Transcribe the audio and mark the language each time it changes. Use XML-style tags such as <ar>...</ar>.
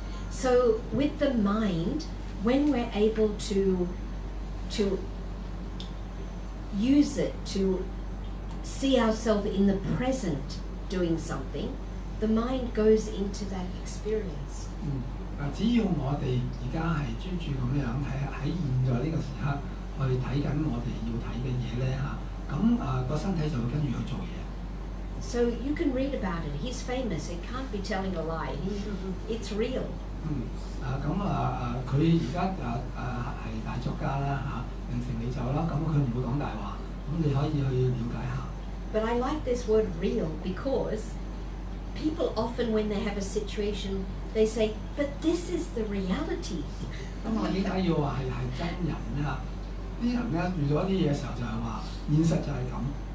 <en>So with the mind, when we're able to use it to see ourselves in the present doing something, the mind goes into that experience.</en> <yue>只要我哋而家係專注咁樣喺現在呢個時刻。去睇緊我哋要睇嘅嘢咧嚇，咁個身體就會跟住去做嘢。</yue> <en>So you can read about it. He's famous. He can't be telling a lie. It's real.</en> <yue>佢而家係大作家啦嚇，名成利就啦，咁佢唔會講大話，咁你可以去了解下。</yue> <en>But I like this word real because people often when they have a situation, they say, "But this is the reality."</en> <yue>咁我點解要話係真人啊？啲人咧遇到一啲嘢時候就係話，現實就係咁。</yue>